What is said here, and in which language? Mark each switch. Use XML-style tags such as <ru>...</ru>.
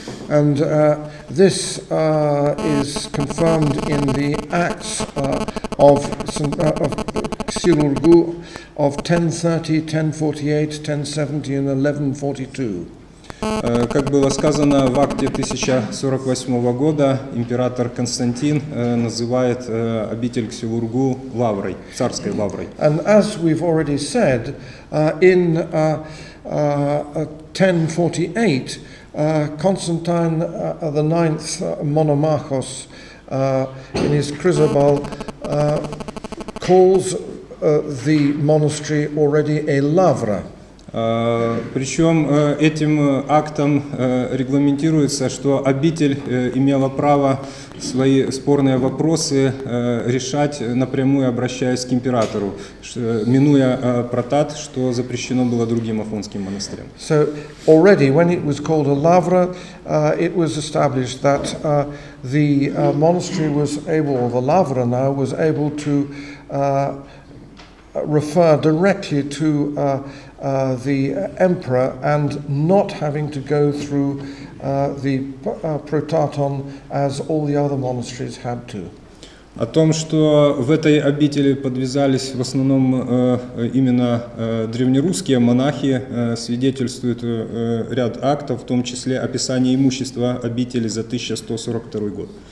<en>And this is confirmed in the acts of Ксилургу of 1030, 1048, 1070 and 1142.</en> <ru>Как было сказано в акте 1048 года, император Константин называет обитель Ксилургу лаврой, царской лаврой.</ru> <en>And as we've already said, in 1048, Constantine the Ninth Monomachos in his Chrysobal calls the monastery already a lavra.</en> <ru>Причем этим актом регламентируется, что обитель имела право свои спорные вопросы решать напрямую, обращаясь к императору, минуя протат, что запрещено было другим афонским монастырям.</ru> <en>So already, when it was called a lavra, it was established that the monastery was able, or the lavra now was able to refer directly to the emperor and not having to go through the protaton as all the other monasteries had to.</en> <ru>О том, что в этой обители подвязались в основном именно древнерусские монахи, свидетельствует ряд актов, в том числе описание имущества обители за 1142 год.</ru>